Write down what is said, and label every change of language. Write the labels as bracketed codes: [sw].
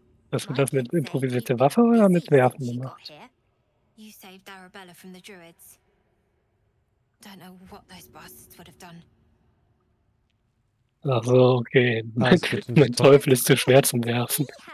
[de] Hast du das mit improvisierter Waffe oder mit Werfen gemacht? [en] You saved Arabella from the Druids. Don't know what those bastards would have done. [de] Ach so, okay. Mein Teufel ist zu schwer zum Werfen.